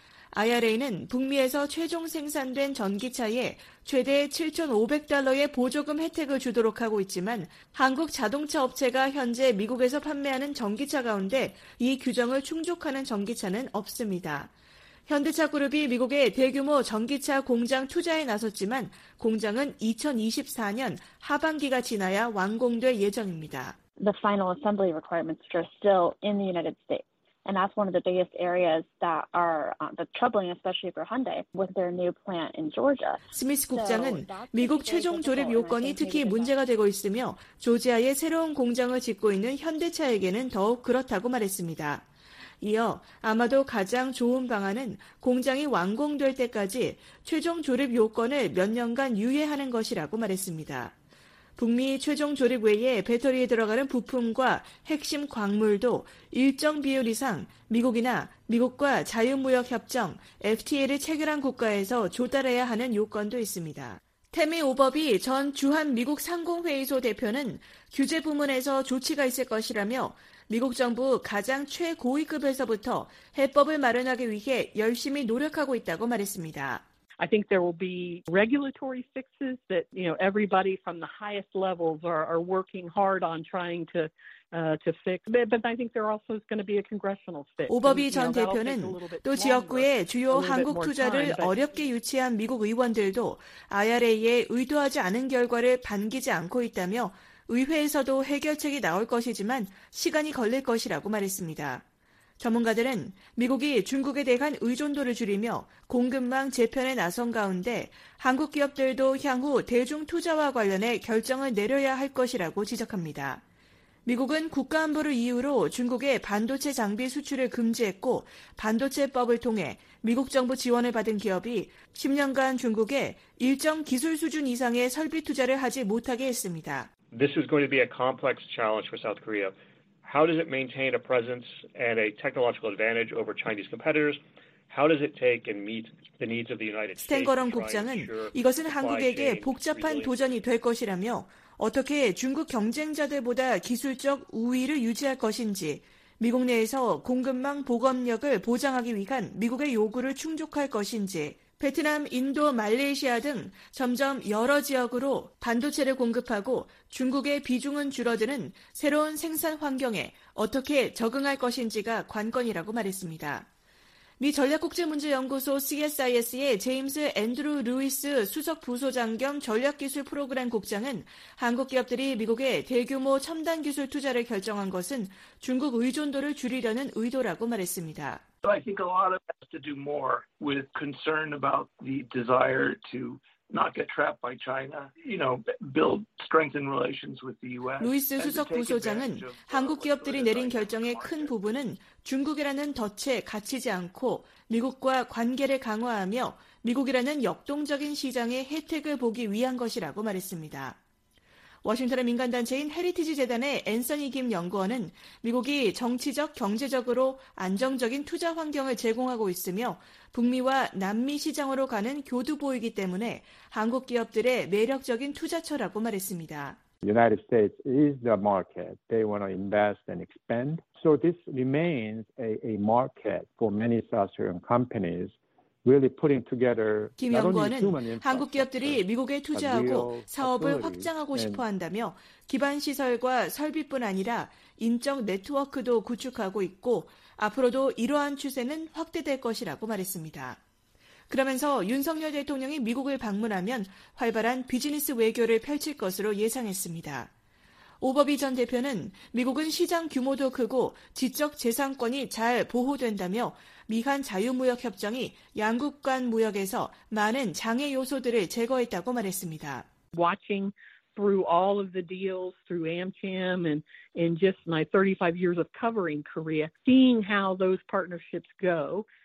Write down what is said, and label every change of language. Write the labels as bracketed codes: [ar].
[ko] IRA는 북미에서 최종 생산된 전기차에 최대 $7,500의 보조금 혜택을 주도록 하고 있지만 한국 자동차 업체가 현재 미국에서 판매하는 전기차 가운데 이 규정을 충족하는 전기차는 없습니다. 현대차 그룹이 미국에 대규모 전기차 공장 투자에 나섰지만 공장은 2024년 하반기가 지나야 완공될 예정입니다. [en] The final assembly requirements are still in the United States. And that's one of the biggest areas that are the troubling, especially for Hyundai with their new plant in Georgia. [ko] 스미스 국장은 미국 최종 조립 요건이 특히 문제가 되고 있으며 조지아의 새로운 공장을 짓고 있는 현대차에게는 더욱 그렇다고 말했습니다. 이어 아마도 가장 좋은 방안은 공장이 완공될 때까지 최종 조립 요건을 몇 년간 유예하는 것이라고 말했습니다. 북미 최종 조립 외에 배터리에 들어가는 부품과 핵심 광물도 일정 비율 이상 미국이나 미국과 자유무역협정 FTA를 체결한 국가에서 조달해야 하는 요건도 있습니다. 태미 오버비 전 주한미국 상공회의소 대표는 규제 부문에서 조치가 있을 것이라며 미국 정부 가장 최고위급에서부터 해법을 마련하기 위해 열심히 노력하고 있다고 말했습니다. [en] I think there will be regulatory fixes that, you know, everybody from the highest levels are working hard on trying to fix. But I think there also is going to be a congressional fix. [ko] 오버비 전 대표는 또 지역구의 주요 한국 투자를 어렵게 유치한 미국 의원들도 IRA에 의도하지 않은 결과를 반기지 않고 있다며 의회에서도 해결책이 나올 것이지만 시간이 걸릴 것이라고 말했습니다. 전문가들은 미국이 중국에 대한 의존도를 줄이며 공급망 재편에 나선 가운데 한국 기업들도 향후 대중 투자와 관련해 결정을 내려야 할 것이라고 지적합니다. 미국은 국가안보를 이유로 중국의 반도체 장비 수출을 금지했고 반도체법을 통해 미국 정부 지원을 받은 기업이 10년간 중국에 일정 기술 수준 이상의 설비 투자를 하지 못하게 했습니다. [en] This is going to be a complex challenge for South Korea. How does it maintain a presence and a technological advantage over Chinese competitors? How does it take and meet the needs of the United States? [ko] 스탱거런 국장은 이것은 한국에게 복잡한 도전이 될 것이라며 어떻게 중국 경쟁자들보다 기술적 우위를 유지할 것인지 미국 내에서 공급망 보건력을 보장하기 위한 미국의 요구를 충족할 것인지 베트남, 인도, 말레이시아 등 점점 여러 지역으로 반도체를 공급하고 중국의 비중은 줄어드는 새로운 생산 환경에 어떻게 적응할 것인지가 관건이라고 말했습니다. 미 전략국제문제연구소 CSIS의 제임스 앤드루 루이스 수석 부소장 겸 전략기술 프로그램 국장은 한국 기업들이 미국에 대규모 첨단 기술 투자를 결정한 것은 중국 의존도를 줄이려는 의도라고 말했습니다. [en] So I think a lot of it has to do more with concern about the desire to not get trapped by China, you know, build strengthen relations with the U.S. [ko] 루이스 수석 부소장은 한국 기업들이 내린 결정의 큰 부분은 중국이라는 덫에 갇히지 않고 미국과 관계를 강화하며 미국이라는 역동적인 시장의 혜택을 보기 위한 것이라고 말했습니다. 워싱턴의 민간단체인 헤리티지 재단의 앤서니 김 연구원은 미국이 정치적, 경제적으로 안정적인 투자 환경을 제공하고 있으며 북미와 남미 시장으로 가는 교두보이기 때문에 한국 기업들의 매력적인 투자처라고 말했습니다. [en] United States is the market. They want to invest and expand. So this remains a market for many South Korean companies. Really putting together, [ko] 김 연구원은 한국 기업들이 미국에 투자하고 사업을 확장하고 싶어 한다며 기반 시설과 설비뿐 아니라 인적 네트워크도 구축하고 있고 앞으로도 이러한 추세는 확대될 것이라고 말했습니다. 그러면서 윤석열 대통령이 미국을 방문하면 활발한 비즈니스 외교를 펼칠 것으로 예상했습니다. 오버비 전 대표는 미국은 시장 규모도 크고 지적 재산권이 잘 보호된다며 미한 자유무역협정이 양국 간 무역에서 많은 장애 요소들을 제거했다고 말했습니다. [en] Watching through all of the deals through AmCham and just my 35 years of covering Korea, seeing how those partnerships go.